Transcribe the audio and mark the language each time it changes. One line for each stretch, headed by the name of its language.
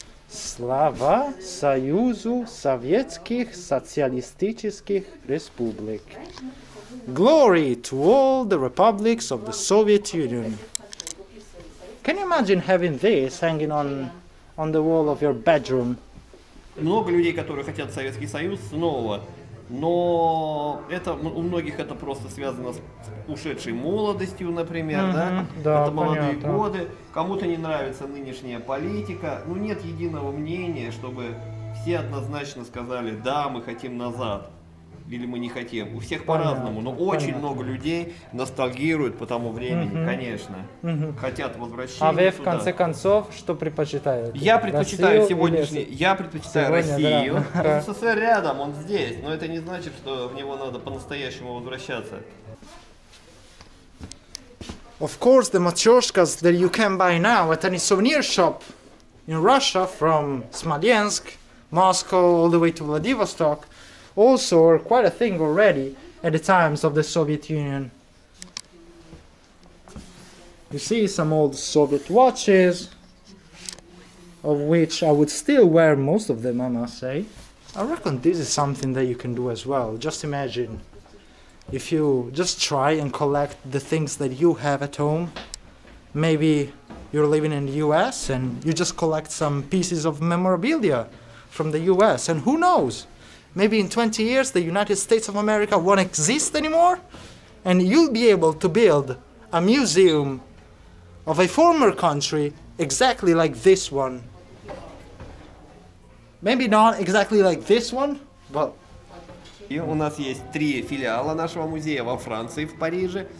Russian: Слава Союзу Советских Социалистических Республик.
English: Glory to all the republics of the Soviet Union. Can you imagine having this hanging on the wall of your bedroom?
Russian: Много людей, которые хотят Советский Союз снова. Но это у многих это просто связано с ушедшей молодостью, например, да? Это молодые годы. Кому-то не нравится нынешняя политика. Ну, нет единого мнения, чтобы все однозначно сказали, да, мы хотим назад. Или мы не хотим. У всех по-разному. Но очень много людей ностальгируют по тому времени, конечно. Хотят возвращения. А вы, в конце концов, что предпочитаете? Я предпочитаю сегодняшний... Я предпочитаю Россию. СССР рядом, он здесь. Но это не значит, что в него надо по-настоящему возвращаться.
English: Of course, the matryoshkas that you can buy now at any souvenir shop in Russia from Smolensk, Moscow, all the way to Vladivostok, also were quite a thing already at the times of the Soviet Union. You see some old Soviet watches, of which I would still wear most of them, I must say. I reckon this is something that you can do as well. Just imagine if you just try and collect the things that you have at home. Maybe you're living in the US and you just collect some pieces of memorabilia from the US, and who knows? Maybe in 20 years the United States of America won't exist anymore, and you'll be able to build a museum of a former country exactly like this one. Maybe not exactly like this one, but...
Russian: И у нас есть три филиала нашего музея во Франции, в Париже.